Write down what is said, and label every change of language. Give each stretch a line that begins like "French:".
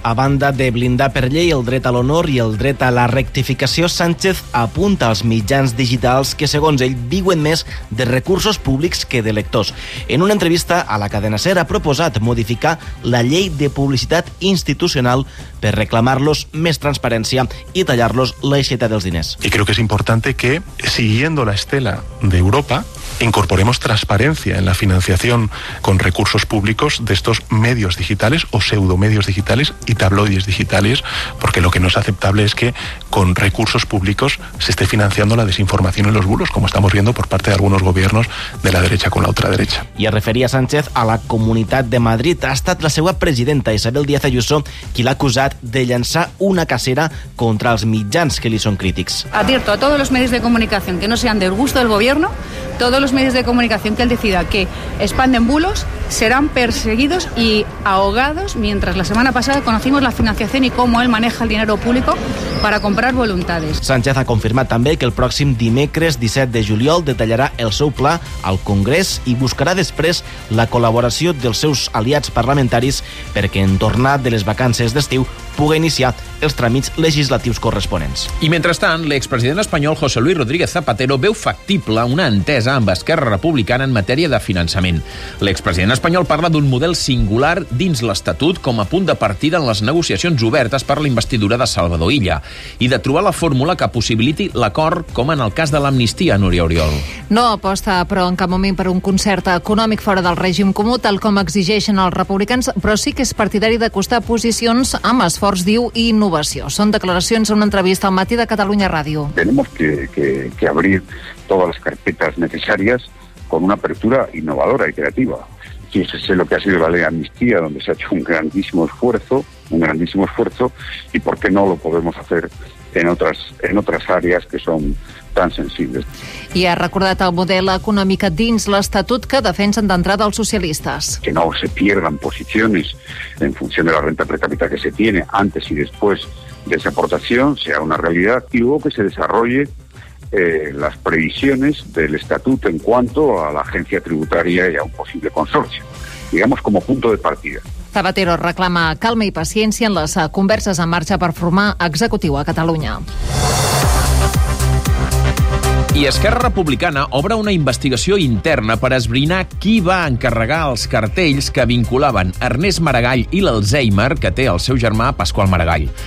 Catalan: A banda de blindar per llei el dret a l'honor i el dret a la rectificació, Sánchez apunta als mitjans digitals que, segons ell, viuen més de recursos públics que de lectors. En una entrevista a la cadena SER ha proposat modificar la llei de publicitat institucional per reclamar-los més transparència i tallar-los l'aixeta dels diners.
Spanish: Y creo que es importante que, siguiendo la estela de Europa, incorporemos transparencia en la financiación con recursos públicos de estos medios digitales o pseudomedios digitales y tabloides digitales, porque lo que no es aceptable es que con recursos públicos se esté financiando la desinformación y los bulos, como estamos viendo por parte de algunos gobiernos de la derecha con la ultraderecha.
Catalan: I es referia Sánchez a la Comunitat de Madrid. Ha estat la seva presidenta, Isabel Díaz Ayuso, qui l'ha acusat de llançar una cacera contra els mitjans que li són crítics.
Spanish: Advierto a todos los medios de comunicación que no sean del gusto del gobierno, todos los medios de comunicación que él decida que expanden bulos serán perseguidos y ahogados, mientras la semana pasada conocimos la financiación y cómo él maneja el dinero público para comprar voluntades.
Catalan: Sánchez ha confirmat també que el pròxim dimecres 17 de juliol detallarà el seu pla al Congrés i buscarà després la col·laboració dels seus aliats parlamentaris perquè, en tornar de les vacances d'estiu, pugui iniciar els tràmits legislatius corresponents. I mentrestant, l'expresident espanyol José Luis Rodríguez Zapatero veu factible una entesa amb Esquerra Republicana en matèria de finançament. L'expresident espanyol parla d'un model singular dins l'Estatut com a punt de partida en les negociacions obertes per la investidura de Salvador Illa i de trobar la fórmula que possibiliti l'acord, com en el cas de l'amnistia, Núria Oriol. No aposta, però, en cap moment per un concert econòmic fora del règim comú, tal com exigeixen els republicans, però sí que és partidari d'acostar posicions amb esforç, diu, i innovació. Són declaracions en una entrevista al Matí de Catalunya Ràdio.
Spanish: Tenemos que abrir todas las carpetas necesarias con una apertura innovadora y creativa. Fíjese lo que ha sido la ley de amnistía, donde se ha hecho un grandísimo esfuerzo, y por qué no lo podemos hacer en otras áreas que son tan sensibles.
Catalan: I ha recordat el model econòmic dins l'Estatut que defensen d'entrada els socialistes.
Spanish: Que no se pierdan posiciones en función de la renta per cápita que se tiene antes y después de esa aportación, sea una realidad, y luego que se desarrolle las previsiones del Estatut en cuanto a la agencia tributaria y a un posible consorcio. Digamos como punto de partida.
Catalan: Zapatero reclama calma i paciència en les converses en marxa per formar executiu a Catalunya. I Esquerra Republicana obre una investigació interna per esbrinar qui va encarregar els cartells que vinculaven Ernest Maragall i l'Alzheimer que té el seu germà Pasqual Maragall.